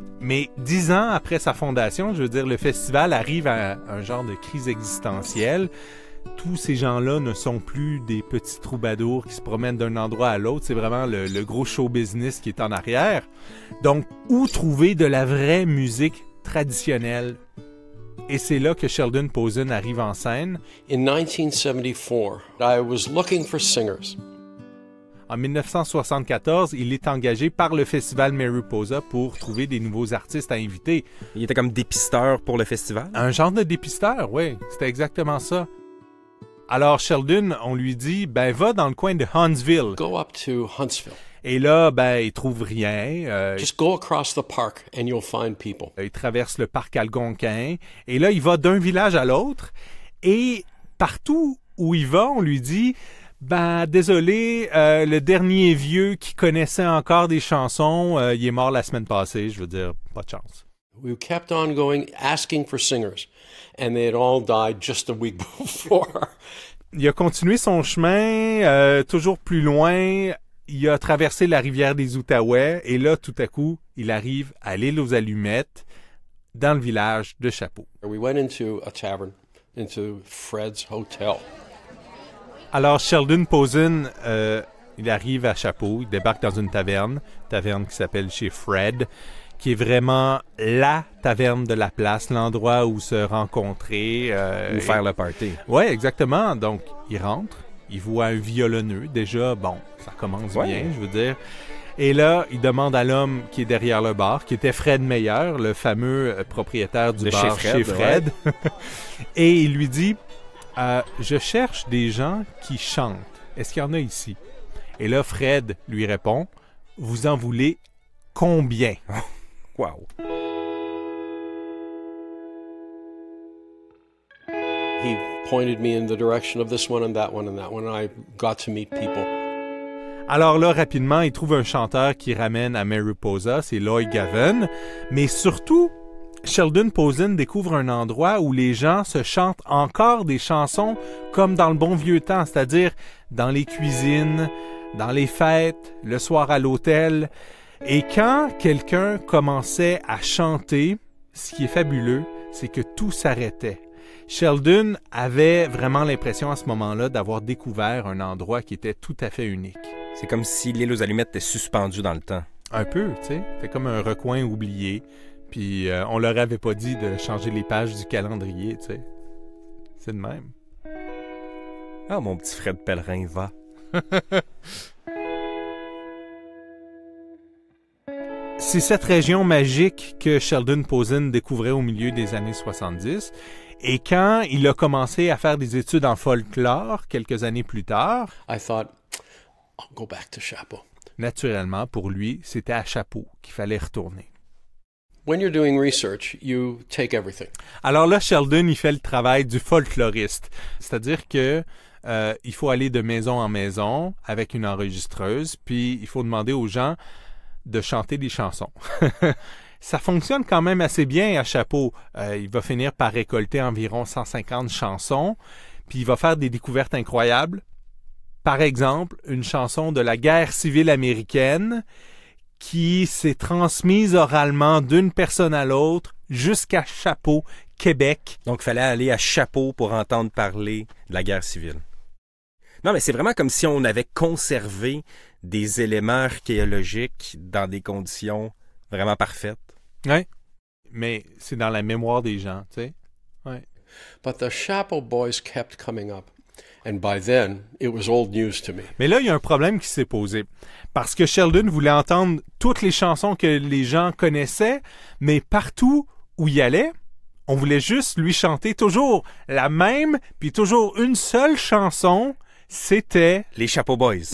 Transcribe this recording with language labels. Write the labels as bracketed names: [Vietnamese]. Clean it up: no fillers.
[French] Mais 10 ans après sa fondation, je veux dire, le festival arrive à un genre de crise existentielle. Tous ces gens-là ne sont plus des petits troubadours qui se promènent d'un endroit à l'autre. C'est vraiment le gros show business qui est en arrière. Donc, où trouver de la vraie musique traditionnelle? Et c'est là que Sheldon Pozen arrive en scène. [English] In 1974, I was looking for singers. [French] En 1974, il est engagé par le festival Mary Poza pour trouver des nouveaux artistes à inviter. Il était comme dépisteur pour le festival? Un genre de dépisteur, oui. C'était exactement ça. Alors, Sheldon, on lui dit, ben, va dans le coin de Huntsville. [English] Go up to Huntsville. [French] Et là, ben, il trouve rien. [English] Just go across the park and you'll find people. [French] Il traverse le parc algonquin. Et là, il va d'un village à l'autre. Et partout où il va, on lui dit, ben, désolé, le dernier vieux qui connaissait encore des chansons, il est mort la semaine passée. Je veux dire, pas de chance. [English] We kept on going, asking for singers. And they had all died just a week before. [French] Il a continué son chemin, toujours plus loin. Il a traversé la rivière des Outaouais. Et là, tout à coup, il arrive à l'île aux Allumettes, dans le village de Chapeau. [English] We went into a tavern, into Fred's Hotel. [French] Alors, Sheldon Pozen, il arrive à Chapeau. Il débarque dans une taverne, qui s'appelle chez Fred, qui est vraiment la taverne de la place, l'endroit où se rencontrer. Ou faire le party. Oui, exactement. Donc, il rentre, il voit un violoneux. Déjà, bon, ça commence bien, je veux dire. Et là, il demande à l'homme qui est derrière le bar, qui était Fred Meyer, le fameux propriétaire du bar chez Fred. Chez Fred. Ouais. Et il lui dit, je cherche des gens qui chantent. Est-ce qu'il y en a ici? Et là, Fred lui répond, vous en voulez combien? Wow. [English] He pointed me in the direction of this one and that one and that one, and I got to meet people. [French] Alors là, rapidement, il trouve un chanteur qui ramène à Mary Poza, c'est Lloyd Gavin. Mais surtout, Sheldon Pozen découvre un endroit où les gens se chantent encore des chansons comme dans le bon vieux temps, c'est-à-dire dans les cuisines, dans les fêtes, le soir à l'hôtel. Et quand quelqu'un commençait à chanter, ce qui est fabuleux, c'est que tout s'arrêtait. Sheldon avait vraiment l'impression à ce moment-là d'avoir découvert un endroit qui était tout à fait unique. C'est comme si l'île aux Allumettes était suspendue dans le temps. Un peu, tu sais. C'était comme un recoin oublié. Puis on leur avait pas dit de changer les pages du calendrier, tu sais. C'est de même. Ah, mon petit Fred Pellerin, va. C'est cette région magique que Sheldon Pozen découvrait au milieu des années 70. Et quand il a commencé à faire des études en folklore, quelques années plus tard... [English] I thought, I'll go back to Chapeau. [French] Naturellement, pour lui, c'était à Chapeau qu'il fallait retourner. [English] When you're doing research, you take everything. [French] Alors là, Sheldon, il fait le travail du folkloriste. C'est-à-dire que... il faut aller de maison en maison avec une enregistreuse, puis il faut demander aux gens de chanter des chansons. ça fonctionne quand même assez bien à Chapeau. Il va finir par récolter environ 150 chansons, puis il va faire des découvertes incroyables. Par exemple, une chanson de la guerre civile américaine qui s'est transmise oralement d'une personne à l'autre jusqu'à Chapeau, Québec. Donc, il fallait aller à Chapeau pour entendre parler de la guerre civile. Non, mais c'est vraiment comme si on avait conservé des éléments archéologiques dans des conditions vraiment parfaites. Oui, mais c'est dans la mémoire des gens, tu sais. Oui. [English] But the Chapeau boys kept coming up. And by then, it was old news to me. [French] Mais là, il y a un problème qui s'est posé. Parce que Sheldon voulait entendre toutes les chansons que les gens connaissaient, mais partout où il allait, on voulait juste lui chanter toujours la même, puis toujours une seule chanson. C'était... Les Chapeau Boys.